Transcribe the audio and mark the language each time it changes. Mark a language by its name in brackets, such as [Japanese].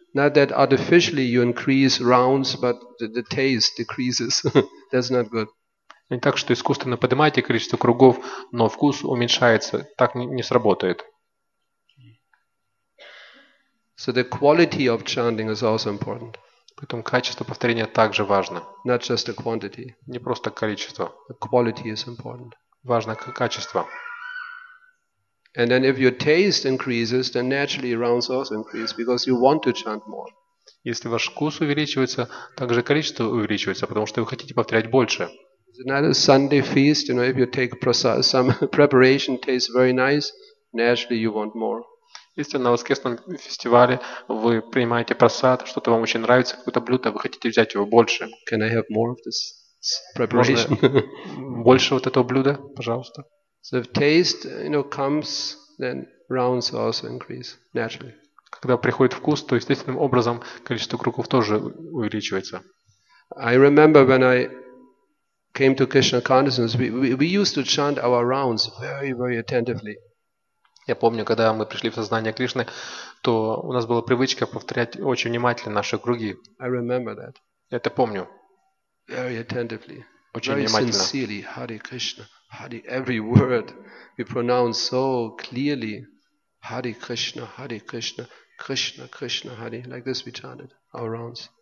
[English] Not that artificially you increase rounds, but the taste decreases. That's not good. [Russian] Не так, что искусственно поднимаете количество кругов, но вкус уменьшается. Так не сработает. [English] So the quality of chanting is also important. [Russian] Поэтому качество повторения также важно. [English] Not just the quantity. [Russian] Не просто количество. [English] The quality is important. [Russian] Важно качество. [English] And then if your taste increases, then naturally rounds also increase because you want to chant more. [Russian] Если ваш вкус увеличивается, также количество увеличивается, потому что вы хотите повторять больше. [English] Another Sunday feast, you know, if you take some preparation, tastes very nice. Naturally, you want more. [Russian] Если на воскресном фестивале вы принимаете просад, что-то вам очень нравится, какое-то блюдо, вы хотите взять его больше. [English] Can I have more of this preparation? [Russian] Больше вот этого блюда, пожалуйста. [English] So if taste, you know, comes, then rounds also increase naturally. [Russian] Когда приходит вкус, то естественным образом количество кругов тоже увеличивается. [English] I remember when I came to Krishna consciousness, we used to chant our rounds very, very attentively. [Russian] Я помню, когда мы пришли в сознание Кришны, то у нас была привычка повторять очень внимательно наши круги. [English] I remember that. [Russian] Это помню. [English] Very attentively. [Russian] Очень [English] very [Russian] внимательно. [English] Very sincerely, Hare Krishna, Hare, every word we pronounce so clearly, Hare Krishna, Hare Krishna, Krishna, Krishna, Hare, like this we chanted our rounds.